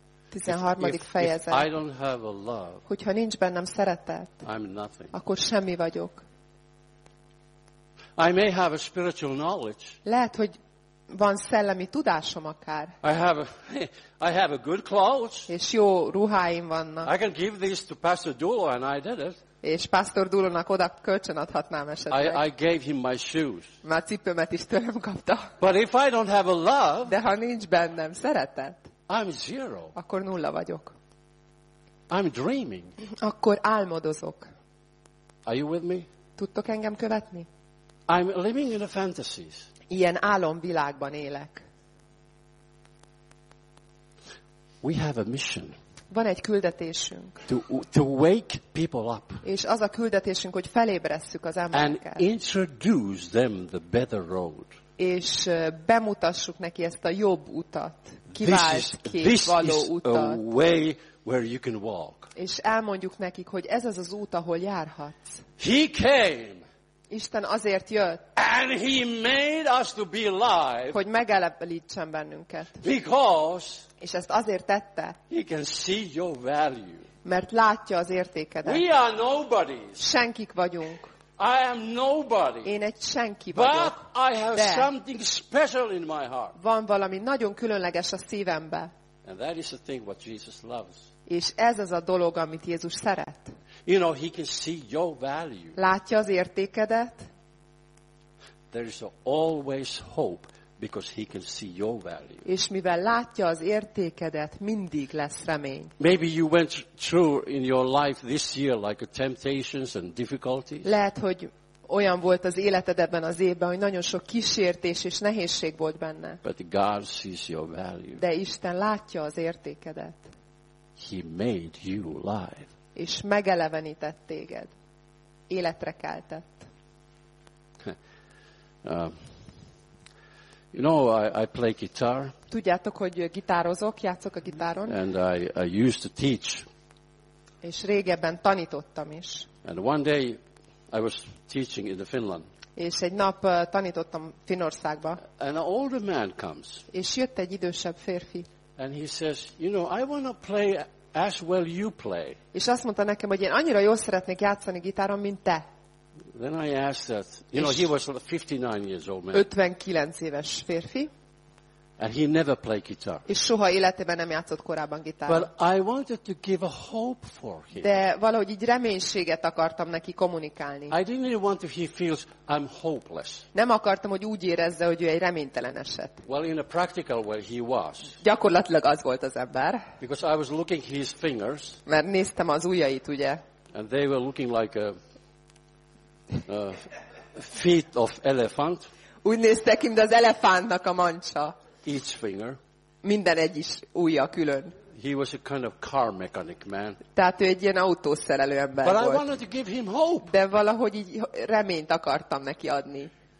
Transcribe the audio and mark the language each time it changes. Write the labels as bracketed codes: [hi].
[hu] 13. fejezet. [en] I don't have a love. [hu] Hogyha nincs bennem szeretet, [en] I'm nothing. [hu] Akkor semmi vagyok. [en] I may have a spiritual knowledge. [hu] Lehet, hogy van szellemi tudásom akár. [en] I have a good clothes. [hu] És jó ruháim vannak. [en] I can give these to Pastor Dulo and I did it. [hu] És Pastor Dulónak oda kölcsön adhatnám esetleg. [en] I gave him my shoes. [hu] Már cipőmet is tőlem kapta. [en] But if I don't have a love. [hu] De ha nincs bennem szeretet. [en] I'm zero. [hu] Akkor nulla vagyok. [en] I'm dreaming. [hu] Akkor álmodozok. [en] Are you with me? [hu] Tudtok engem követni? [en] I'm living in a fantasies. [hu] Ilyen álomvilágban élek. [en] We have a mission. [hu] Van egy küldetésünk. [en] To wake people up. [hu] És az a küldetésünk, hogy felébresszük az embereket. [en] And introduce them the better road. [hu] És bemutassuk neki ezt a jobb utat, kivált képvaló utat. [en] This is a way where you can walk. [hu] És elmondjuk nekik, hogy ez az az út, ahol járhatsz. [en] He came. [hu] Isten azért jött, [en] and he made us to be alive, [hu] hogy megelevelítsen bennünket. [en] Because [hu] és ezt azért tette, [en] he can see your value. [hu] Mert látja az értékedet. [en] We are nobodies. [hu] Senkik vagyunk. [en] I am nobody. [hu] Én egy senki vagyok. [en] But I have [hu] de [en] something special in my heart. [hu] Van valami nagyon különleges a szívemben. [en] And that is the thing what Jesus loves. [hu] És ez az a dolog, amit Jézus szeret. [en] You know, he can see your value. [hu] Látja az értékedet. [en] There is always hope because he can see your value. [hu] És mivel látja az értékedet, mindig lesz remény. [en] Maybe you went through in your life this year like temptations and difficulties. [hu] Lehet, hogy olyan volt az életed ebben az évben, hogy nagyon sok kísértés és nehézség volt benne. [en] But God sees your value. [hu] De Isten látja az értékedet. [en] He made you alive. [hu] És megelevenített téged. Életre keltett. [en] You know, I play guitar. [hu] Tudjátok, hogy gitározok, játszok a gitáron. [en] And I used to teach. [hu] És régebben tanítottam is. [en] And one day I was teaching in the Finland. [hu] És egy nap tanítottam Finnországba. [en] And an older man comes. [hu] És jött egy idősebb férfi. [en] And he says, you know, I want to play as well you play. [hu] És azt mondta nekem, hogy én annyira jól szeretnék játszani gitáron, mint te. [en] Then I asked that. You know, he was 59 years old man. [hu] 59 éves férfi. [en] And he never played guitar. [hu] És soha életében nem játszott korábban gitáron. [en] But I wanted to give a hope for him. [hu] De valahogy így reménységet akartam neki kommunikálni. [en] I didn't really want that he feels I'm hopeless. [hu] Nem akartam, hogy úgy érezze, hogy ő egy reménytelen eset. [en] Well, in a practical way he was. [hu] Gyakorlatilag az volt az ember. [en] Because I was looking his fingers. [hu] Mert néztem az ujjait, ugye? [en] And they were looking like a feet of elephant. [hu] Úgy néztek, mint az elefántnak a mancsa. [en] Each finger. [hu] Minden egyes ujja külön. [en] He was a kind of car mechanic man. [hu] Tehát ő egy ilyen autószerelő ember [en] But [hu] volt. [en] But I wanted to give him hope. [hu] De valahogy így reményt akartam neki adni.